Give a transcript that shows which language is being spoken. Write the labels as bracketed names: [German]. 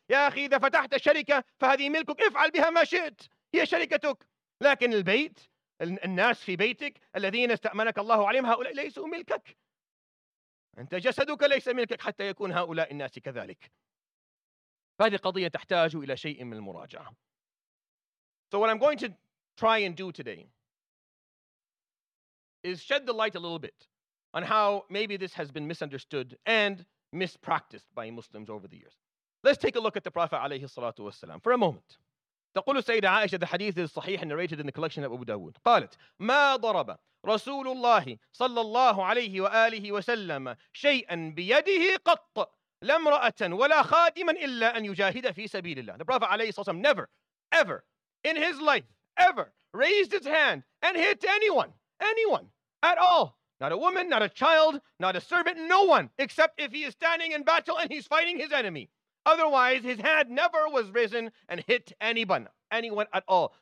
[Arabic] يا أخي إذا فتحت شركة فهذه ملكك. افعل بها ما شئت. هي شركتك. لكن البيت الناس في بيتك الذين استأمنك الله عليهم هؤلاء ليسوا ملكك. أنت جسدك ليس ملكك حتى يكون هؤلاء الناس كذلك. فهذه قضية تحتاج إلى شيء من المراجعة. [English] So what I'm going to try and do today is shed the light a little bit on how maybe this has been misunderstood and mispracticed by Muslims over the years. Let's take a look at the Prophet عليه الصلاة والسلام for a moment. [Arabic] تقول السيدة عائشة [English] the hadith is صحيح narrated in the collection of Abu Dawood. [Arabic] قالت ما ضرب رسول الله صلى الله عليه وآله وسلم شيئا بيده قط لا امرأة ولا خادما إلا أن يجاهد في سبيل الله. [English] The Prophet عليه الصلاة والسلام never ever in his life ever raised his hand and hit anyone at all. Not a woman, not a child, not a servant, no one, except if he is standing in battle and he's fighting his enemy. Otherwise, his hand never was risen and hit anyone at all.